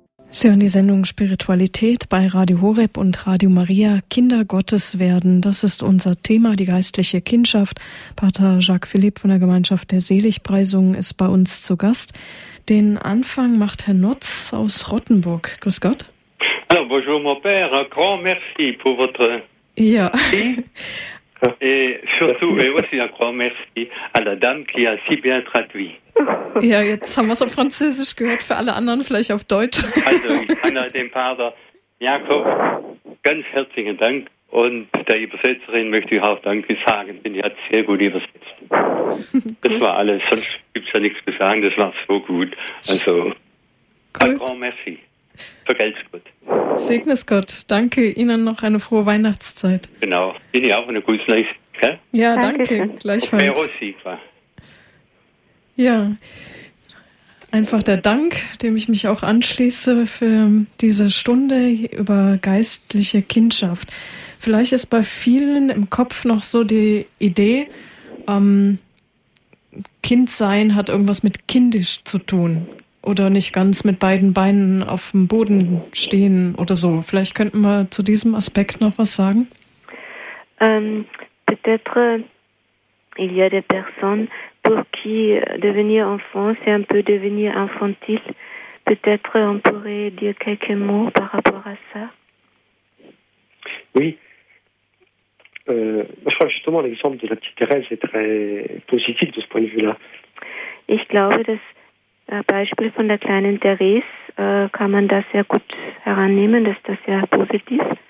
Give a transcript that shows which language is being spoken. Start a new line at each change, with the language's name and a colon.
German: Sie hören die Sendung Spiritualität bei Radio Horeb und Radio Maria. Kinder Gottes werden, das ist unser Thema, die geistliche Kindschaft. Pater Jacques Philippe von der Gemeinschaft der Seligpreisung ist bei uns zu Gast. Den Anfang macht Herr Notz aus Rottenburg. Grüß Gott.
French: Ah, bonjour mon père, grand merci pour votre...
German: Ja.
French: Et surtout, et aussi un grand merci à la dame qui a si bien traduit.
German: Ja, jetzt haben wir es auf Französisch gehört, für alle anderen vielleicht auf Deutsch. Also, ich kann dem Vater Jakob ganz herzlichen Dank und der Übersetzerin möchte ich auch Danke sagen, denn die hat sehr gut übersetzt. Das war alles, sonst gibt es ja nichts zu sagen, das war so gut. Also, ein
French: grand merci.
German: Vergelt's gut. Segne's Gott. Danke Ihnen noch eine frohe Weihnachtszeit. Genau. Ihnen auch eine gute Nacht. Ja, danke. Gleichfalls. Ja, einfach der Dank, dem ich mich auch anschließe für diese Stunde über geistliche Kindschaft. Vielleicht ist bei vielen im Kopf noch so die Idee, Kind sein hat irgendwas mit kindisch zu tun. Oder nicht ganz mit beiden Beinen auf dem Boden stehen oder so. Vielleicht könnten wir zu diesem Aspekt noch was sagen.
French: Peut-être il y a des personnes pour qui devenir enfant c'est un peu devenir infantile. Peut-être on pourrait dire quelques mots par rapport à ça. Oui. Je crois justement l'exemple de la petite Thérèse est très positif de ce point de vue-là.
German: Ich glaube, dass Beispiel von der kleinen Therese kann man das sehr gut herannehmen, dass das sehr positiv.